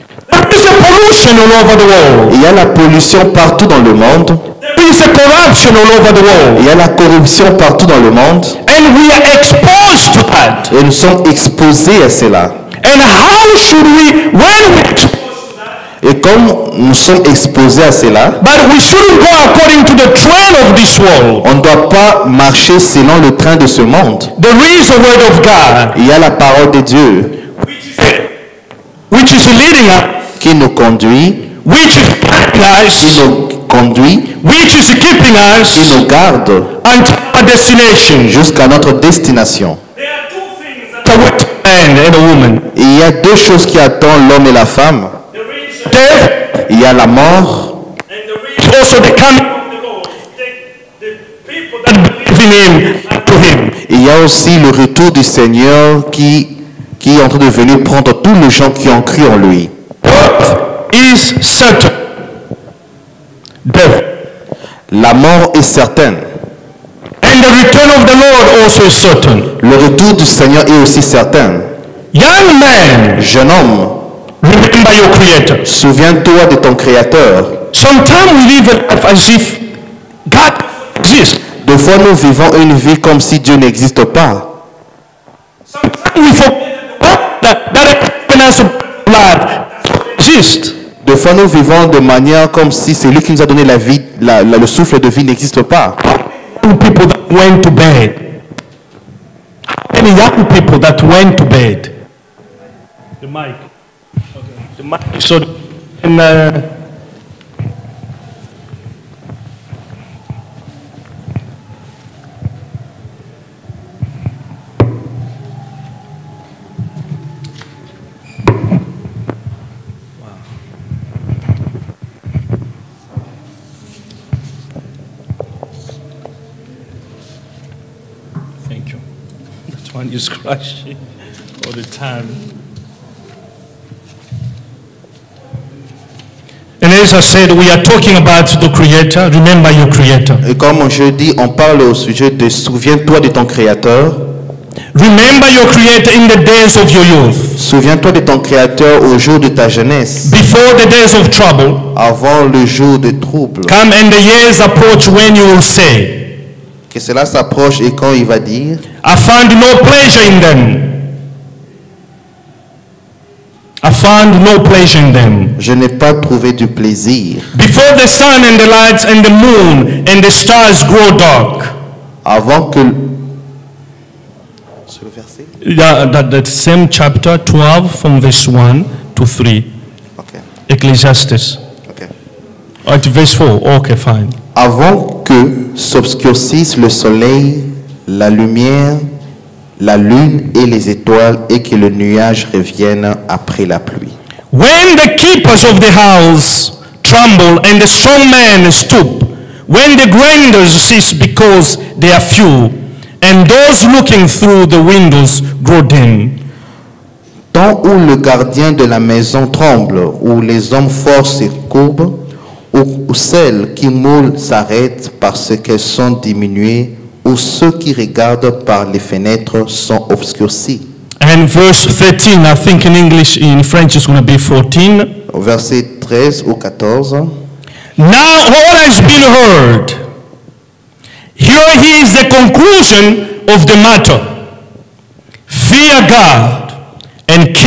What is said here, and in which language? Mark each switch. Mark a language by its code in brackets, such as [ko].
[en] There is a pollution all over the world. [fr] Il y a la pollution partout dans le monde. [en] There is a corruption all over the world. [fr] Il y a la corruption partout dans le monde. [en] And we are exposed to that. [fr] Et nous sommes exposés à cela. [en] And how should we, when we [fr] et comme nous sommes exposés à cela, [en] but we shouldn't go according to the train of this world. [fr] On ne doit pas marcher selon le train de ce monde. [en] There is a word of God. [fr] Il y a la parole de Dieu, [en] which is leading us, [fr] qui nous conduit, [en] which is guiding us, [fr] qui nous conduit, [en] which is keeping us, [fr] qui nous garde, [en] until our destination, [fr] jusqu'à notre destination. [en] There are two things that await a man and a woman. [fr] Il y a deux choses qui attendent l'homme et la femme. [en] Death, [fr] il y a la mort. [en] And the also the coming of the Lord. The people that believe in him, to him. [fr] Il y a aussi le retour du Seigneur qui est en train de venir prendre tous les gens qui ont cru en lui. [en] Is certain. Death. [fr] La mort est certaine. [en] And the return of the Lord also is certain. [fr] Le retour du Seigneur est aussi certain. [en] Young man. [fr] Jeune homme. [en] Remember your creator. [fr] Souviens-toi de ton Créateur. [en] Sometimes we live as if God exists. [fr] De fois nous vivons une vie comme si Dieu n'existe pas. [en] Sometimes we forget that happiness of life exists. [fr] De fois nous vivons de manière comme si c'est lui qui nous a donné la vie, le souffle de vie n'existe pas. [en] Two people that went to bed. Any young people that went to bed. The mic. So, thank you. That one is crashing all the time. And as I said, we are talking about the Creator. Remember your Creator. [fr] Et comme je dis, on parle au sujet de souviens-toi de ton Créateur. [en] Remember your Creator in the days of your youth. [fr] Souviens-toi de ton Créateur au jour de ta jeunesse. [en] Before the days of trouble. [fr] Avant le jour de trouble. [en] Come and the years approach when you will say. [fr] Que cela s'approche et quand il va dire. [en] I found no pleasure in them. I found no pleasure in them. [fr] Je n'ai pas trouvé du plaisir. [en] Before the sun and the lights and the moon and the stars grow dark. [fr] Avant que. [en] That same chapter 12 from verse 1 to 3. Okay. Ecclesiastes. Okay. At verse 4. Okay, fine. [fr] Avant que s'obscurcisse le soleil, la lumière, la lune et les étoiles, et que le nuage revienne après la pluie. [en] When the keepers of the house tremble and the strong men stoop, when the grinders cease because they are few, and those looking through the windows grow dim. [fr] Tant où le gardien de la maison tremble, où les hommes forts se courbent, où celles qui moulent s'arrêtent parce qu'elles sont diminuées, où ceux qui regardent par les fenêtres sont obscurcis. [en] And verse 13, I think in English, in French, it's going to be 14. [fr] Verset 13 ou 14. [en] Now all has been heard. Here is the conclusion of the matter. Fear God and keep.